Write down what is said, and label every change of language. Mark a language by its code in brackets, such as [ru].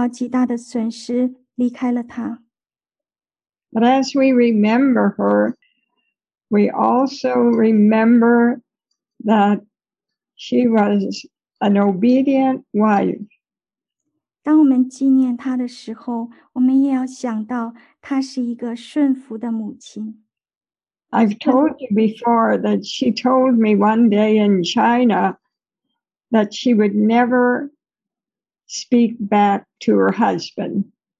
[zh] 她的孩子们感受到极大的损失，离开了她。 [en] But as we remember her, we also remember that she was an obedient wife. [zh] 当我们纪念她的时候，我们也要想到她是一个顺服的母亲。 [en] I've told you before that she told me one day in China that she would never speak back to her husband.